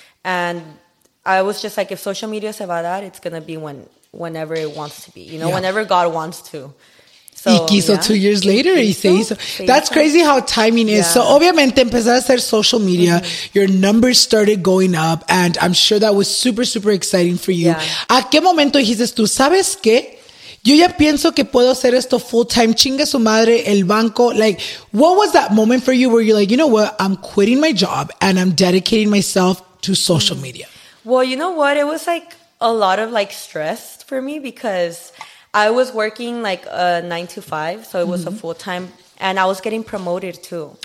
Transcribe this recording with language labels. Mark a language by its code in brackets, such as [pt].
[en] And I was just like, if social media se va a dar, it's going to be whenever it wants to be, you know, whenever God wants to. So 2 years later, he says, that's crazy how timing is. So obviamente empezaste a hacer social media, your numbers started going up, and I'm sure that was super, super exciting for you. Yeah. [es] ¿A qué momento dijiste tú, sabes qué? Yo ya pienso que puedo hacer esto full time, chinga su madre, el banco. [en] Like, what was that moment for you where you're like, you know what, I'm quitting my job and I'm dedicating myself to social media? Well, you know what? It was like a lot of like stress for me because I was working like a 9-to-5. So it was a full time and I was getting promoted too.